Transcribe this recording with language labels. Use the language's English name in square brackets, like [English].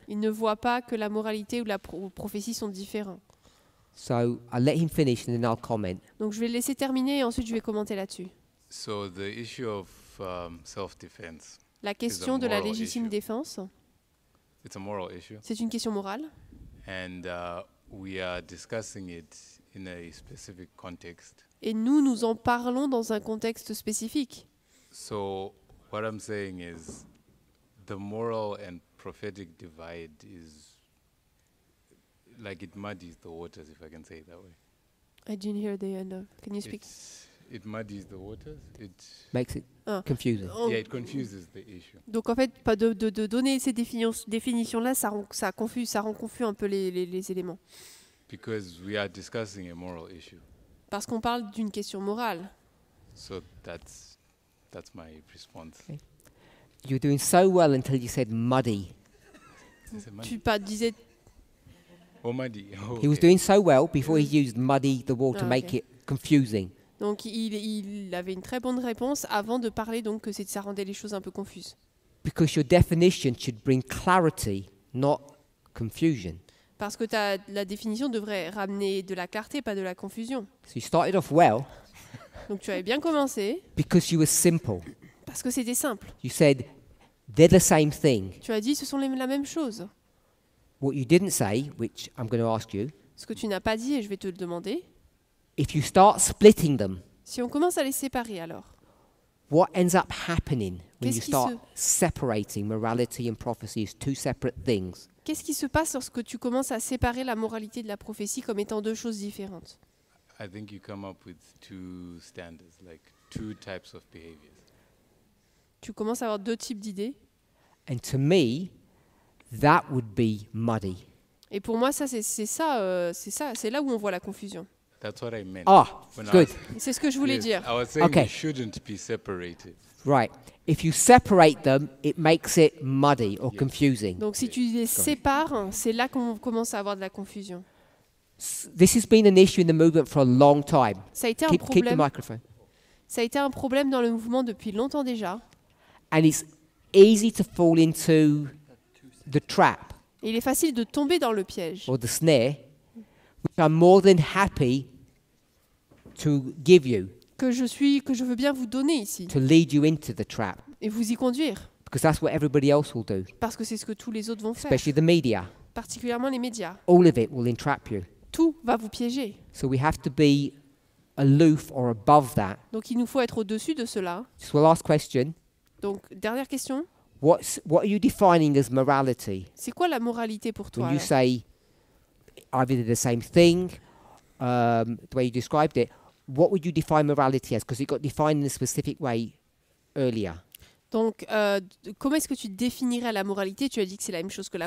[French] Il ne voit pas que la moralité ou la prophétie sont différents. [English] So I'll let him finish and then I'll comment. [French] Donc je vais le laisser terminer et ensuite je vais commenter là-dessus. [English] So the issue of self-defense. [French] La question de la légitime défense. [English] It's a moral issue. [French] C'est une question morale. [English] And we are discussing it in a specific context. [French] Et nous en parlons dans un contexte spécifique. [English] So what I'm saying is the moral and prophetic divide is like it muddies the waters, if I can say it that way. I didn't hear the end of. Can you speak? It muddies the waters. It makes it confusing. Yeah, it confuses the issue. [French] Donc en fait, pas de donner ces définitions là, ça rend confus un peu les éléments. [English] Because we are discussing a moral issue. [French] Parce qu'on parle d'une question morale. [English] So that's my response. Okay. You're doing so well until you said muddy. [French] Tu pas disais. [English] Oh muddy. Oh, okay. He was doing so well before he used muddy the water to make it confusing. [French] Donc il avait une très bonne réponse avant de parler donc que ça rendait les choses un peu confuses. [English] Because your definition should bring clarity, not confusion. [French] Parce que la définition devrait ramener de la clarté, pas de la confusion. [English] So you started off well. [French] Donc tu avais bien commencé. [English] Because you were simple. [French] Parce que c'était simple. [English] You said they're the same thing. [French] Tu as dit ce sont la même chose. [English] What you didn't say, which I'm going to ask you. [French] Ce que tu n'as pas dit et je vais te le demander. [English] If you start splitting them. [French] Si on commence à les séparer alors. [English] What ends up happening when you start separating morality and prophecy as two separate things? [French] Qu'est-ce qui se passe lorsque tu commences à séparer la moralité de la prophétie comme étant deux choses différentes? [English] I think you come up with two standards, like two types of behaviors. [French] Tu commences à avoir deux types d'idées. [English] And to me, that would be muddy. [French] Et pour moi, ça c'est ça, c'est là où on voit la confusion. [English] That's what I meant. Ah, good. [French] C'est ce que je voulais dire. [English] I was saying okay. You shouldn't be separated. Right. If you separate them, it makes it muddy or confusing. [French] Donc si tu les sépares, c'est là qu'on commence à avoir de la confusion. [English] This has been an issue in the movement for a long time. [French] Ça a été un problème. [English] Keep the microphone. [French] Ça a été un problème dans le mouvement depuis longtemps déjà. [English] And it's easy to fall into the trap. [French] Il est facile de tomber dans le piège. [English] Or the snare. Which I'm more than happy to give you. [French] Que je veux bien vous donner ici. [English] To lead you into the trap. [French] Et vous y conduire. [English] Because that's what everybody else will do. [French] Parce que c'est ce que tous les autres vont [English] Especially [French] faire. [English] Especially the media. [French] Particulièrement les médias. [English] All of it will entrap you. [French] Tout va vous piéger. [English] So we have to be aloof or above that. [French] Donc il nous faut être au-dessus de cela. [English] So last question. [French] Donc dernière question. [English] What are you defining as morality? [French] C'est quoi la moralité pour toi? [English] When you say either the same thing, the way you described it. What would you define morality as? Because it got defined in a specific way earlier. [French] Donc, comment est-ce que tu définirais la moralité? Tu as dit que c'est la même chose que la